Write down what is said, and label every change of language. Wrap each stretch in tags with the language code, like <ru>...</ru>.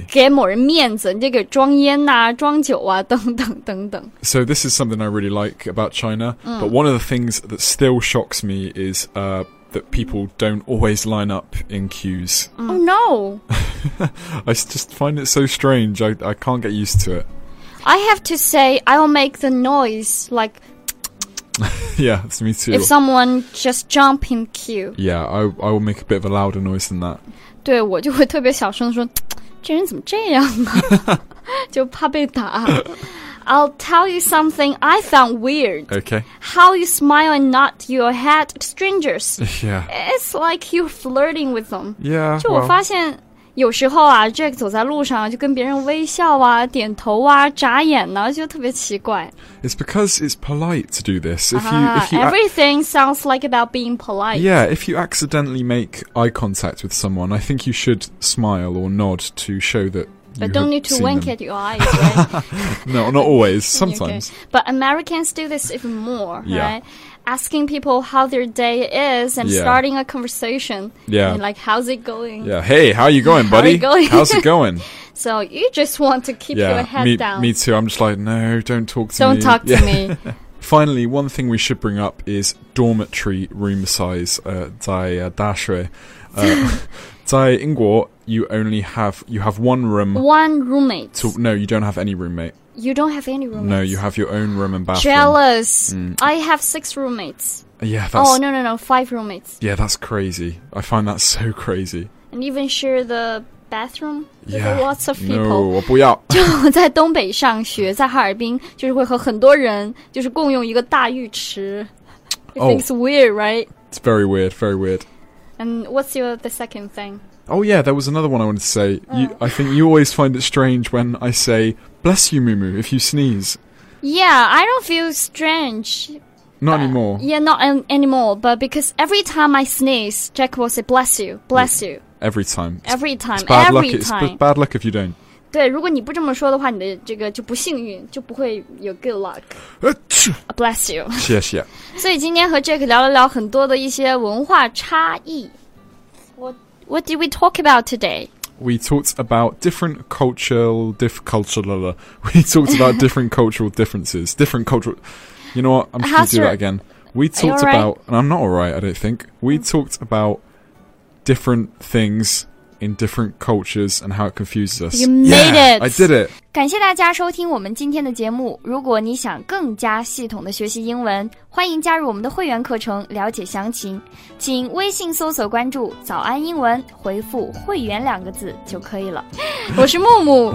<zh>就给某人面子，你就给装烟啊，装酒啊，等等等等。</zh> <en>So this is something I really like about China,、嗯、 but one of the things that still shocks me is、that people don't always line up in queues. Oh no! I just find it so strange, I can't get used to it. I have to say, I'll make the noise, like... yeah, it's me too. If someone just jump in queue. Yeah, I will make a bit of a louder noise than that.</en> <zh>对，我就会特别小声地说这人怎么这样啊就怕被打</zh> <en>I'll tell you something I found weird Okay How you smile and nod your head to strangers Yeah It's like you're flirting with them Yeah</en> <zh>就我发现、</zh> <en>well.</en> <zh>有时候啊 Jack 走在路上就跟别人微笑啊点头啊眨眼呢、啊、就特别奇怪</zh> <en>It's because it's polite to do this Everything sounds like about being polite Yeah, if you accidentally make eye contact with someone I think you should smile or nod to show that But don't need to wink at your eyes, right? No, not always. Sometimes. Okay. But Americans do this even more, yeah. right? Asking people how their day is and starting a conversation. Yeah. And like, how's it going? Yeah. Hey, how are you going, buddy? How are you going? How's it going? So you just want to keep your head down. Me too. I'm just like, no, don't talk to me. Don't talk to me. Finally, one thing we should bring up is dormitory room size.</en> <zh>在大学在英国</zh> <en>You only have, you have one room. One roommate. No, you don't have any roommate. You don't have any roommate. No, you have your own room and bathroom. Jealous. I have 6 roommates. Yeah, that's... Oh, no, 5 roommates. Yeah, that's crazy. I find that so crazy. And even share the bathroom with lots of people. No,</en> <zh>我不要。就在东北上学，在哈尔滨，就是会和很多人就是共用一个大浴池。</zh> <en>Oh. It's weird, right? It's very weird, very weird. And what's the second thing? Oh, yeah, there was another one I wanted to say. I think you always find it strange when I say, bless you, Mumu, if you sneeze. Yeah, I don't feel strange. Not anymore. Yeah, not anymore. But because every time I sneeze, Jack will say, bless you. Every time. Every time. Every time. It's bad luck if you don't.</en> <zh>对，如果你不这么说的话，你的这个就不幸运，就不会有</zh> <en>good luck. Bless you.</en> <zh>谢谢。所以今天和 Jack 聊了聊很多的一些文化差异。</zh> <en>What did we talk about today? We talked about different cultural differences. Different cultural... You know what? I'm just going to do that again. We talked about... And I'm not alright, I don't think. We talked about different things... in different cultures and how it confuses us. You made it! Yeah, I did it!</en> <zh>感谢大家收听我们今天的节目。如果你想更加系统的学习英文，欢迎加入我们的会员课程了解详情。请微信搜索关注早安英文，回复会员两个字就可以了。我是木木。</zh>